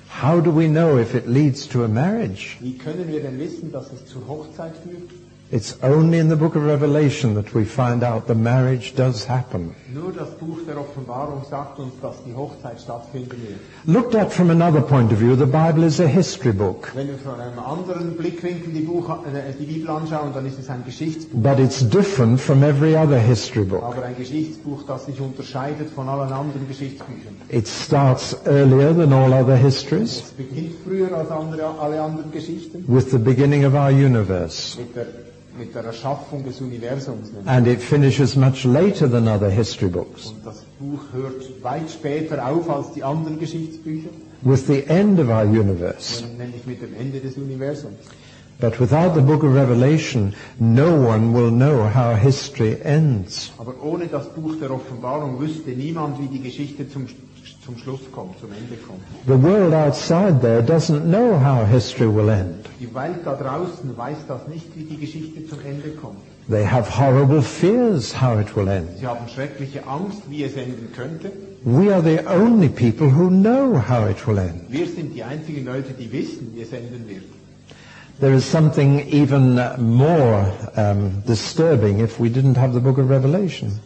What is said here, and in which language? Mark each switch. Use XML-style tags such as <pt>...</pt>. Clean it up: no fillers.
<en>How do we know if it leads to a marriage?</en> <de>Wie können wir denn wissen, dass es zur Hochzeit führt?</de> <en>It's only in the book of Revelation that we find out the marriage does happen.</en> <de>Nur das Buch der Offenbarung sagt uns, dass die Hochzeit stattfinden wird.</de> <en>Looked at from another point of view, the Bible is a history book.</en> <de>Wenn wir von einem anderen Blickwinkel die Bibel anschauen, dann ist es ein Geschichtsbuch.</de> <en>But it's different from every other history book.</en> <de>Aber ein Geschichtsbuch, das sich unterscheidet von allen anderen Geschichtsbüchern.</de> <en>It starts earlier than all other histories.</en> <de>Es beginnt früher als alle anderen Geschichten.</de> <en>With the beginning of our universe.</en> <de>Mit der Erschaffung des Universums.</de> <en>And it finishes much later than other history books.</en> <de>Und das Buch hört weit später auf als die anderen Geschichtsbücher.</de> <en>With the end of our universe.</en> <de>Nämlich mit dem Ende des Universums.</de> <en>But without the book of Revelation, no one will know how history ends.</en> <de>Aber ohne das Buch der Offenbarung wüsste niemand, wie die Geschichte zum Schluss kommt, zum Ende kommt.</de> <en>The world outside there doesn't know how history will end.</en> <de>Die Welt da draußen weiß das nicht, wie die Geschichte zum Ende kommt.</de> <en>They have horrible fears how it will end.</en> <de>Sie haben schreckliche Angst, wie es enden könnte.</de> <en>We are the only people who know how it will end.</en> <de>Wir sind die einzigen Leute, die wissen, wie es enden wird.</de> <en>There is something even more disturbing if we didn't have the book of Revelation.</en>